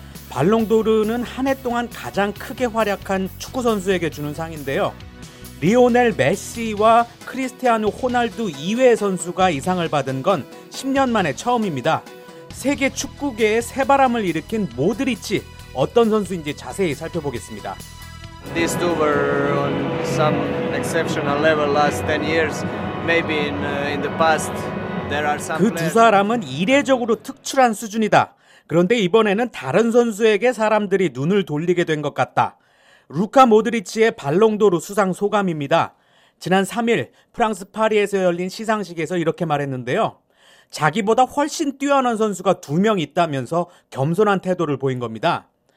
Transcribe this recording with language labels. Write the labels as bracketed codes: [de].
[ko] 발롱도르는 한 해 동안 가장 크게 활약한 축구선수에게 주는 상인데요. 리오넬 메시와 크리스티아누 호날두 이외의 선수가 이 상을 받은 건 10년 만에 처음입니다. 세계 축구계의 새바람을 일으킨 모드리치, 어떤 선수인지 자세히 살펴보겠습니다. [en] These two were on some exceptional level last 10 years. Maybe in the past there are some. [ko] 그 두 사람은 이례적으로 특출한 수준이다. 그런데 이번에는 다른 선수에게 사람들이 눈을 돌리게 된 것 같다. 루카 모드리치의 발롱도르 수상 소감입니다. 지난 3일 프랑스 파리에서 열린 시상식에서 이렇게 말했는데요. 자기보다 훨씬 뛰어난 선수가 두 명 있다면서 겸손한 태도를 보인 겁니다.